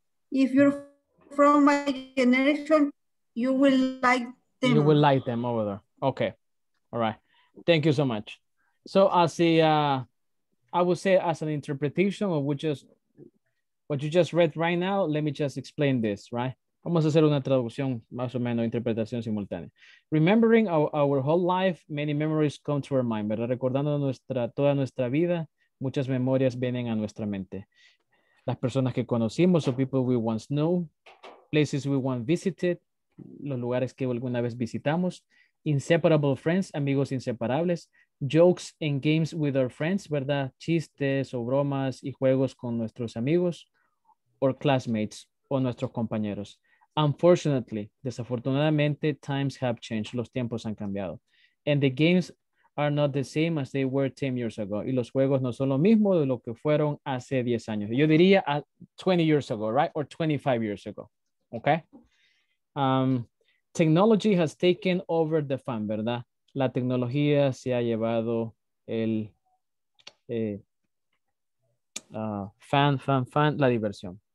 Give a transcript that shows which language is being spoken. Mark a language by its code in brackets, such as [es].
[en] If you're from my generation, you will like them. You will like them over there. Okay. All right. Thank you so much. So as the, I would say as an interpretation of what you just read right now, let me just explain this, right? [es] Vamos a hacer una traducción más o menos, interpretación simultánea. [en] Remembering our whole life, many memories come to our mind, ¿verdad? [es] Recordando toda nuestra vida, muchas memorias vienen a nuestra mente. Las personas que conocimos, o [en] people we once knew, places we once visited, [es] los lugares que alguna vez visitamos, [en] inseparable friends, [es] amigos inseparables, [en] jokes and games with our friends, [es] ¿verdad? Chistes o bromas y juegos con nuestros amigos, [en] or classmates, [es] o nuestros compañeros. [en] Unfortunately, [es] desafortunadamente, [en] times have changed. [es] Los tiempos han cambiado. [en] And the games are not the same as they were 10 years ago. [es] Y los juegos no son lo mismo de lo que fueron hace 10 años. Yo diría [en] 20 years ago, right? Or 25 years ago. Okay? Technology has taken over the fun, ¿verdad? [es] La tecnología se ha llevado el fun, la diversión.